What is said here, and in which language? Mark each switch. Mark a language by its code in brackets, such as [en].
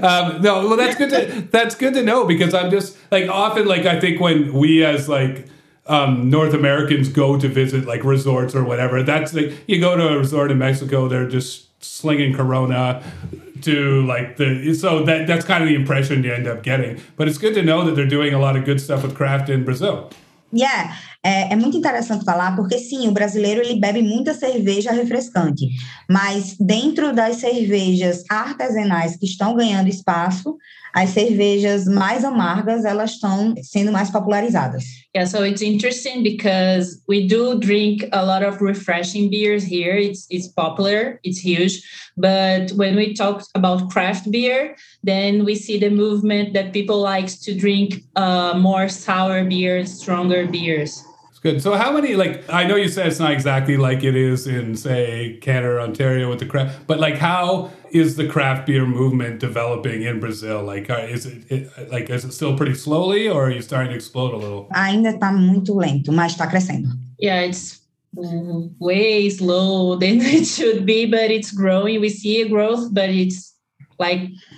[en] That's good to know because I'm just like, often, like, I think when we as like North Americans go to visit like resorts or whatever, that's like, you go to a resort in Mexico, they're just slinging Corona to like the, so that's kind of the impression you end up getting. But it's good to know that they're doing a lot of good stuff with craft in Brazil. [pt] Yeah, é muito interessante falar, porque sim, o brasileiro ele bebe muita cerveja refrescante, mas dentro das cervejas artesanais que estão ganhando espaço, as cervejas mais amargas, elas estão sendo mais popularizadas. [en] Yeah, so it's interesting because we do drink a lot of refreshing beers here. It's popular, it's huge. But when we talk about craft beer, then we see the movement that people like to drink more sour beers, stronger beers. It's good. So how many, like, I know you said it's not exactly like it is in, say, Canada or Ontario with the craft, but like, how is the craft beer movement developing in Brazil? Like, is it still pretty slowly, or are you starting to explode a little? [pt] Ainda está muito lento, mas está crescendo. [en] Yeah, it's way slow than it should be, but it's growing. We see a growth, but it's like...